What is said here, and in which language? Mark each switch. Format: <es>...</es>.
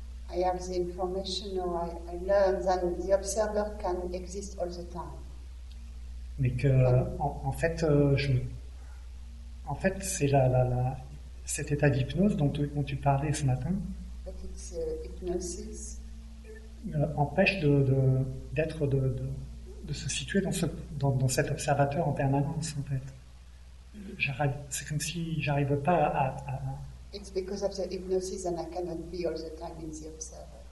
<en>I have the information or I learn that the observer can exist all the time.</en> <fr>Mais que en fait en fait c'est la cet état d'hypnose dont tu parlais ce matin.</fr> <en>But it's hypnosis.</en> <fr>Empêche de se situer dans cet observateur en permanence en fait. C'est comme si j'arrive pas à.</fr> <en>It's because of the hypnosis and I cannot be all the time in the observer.</en>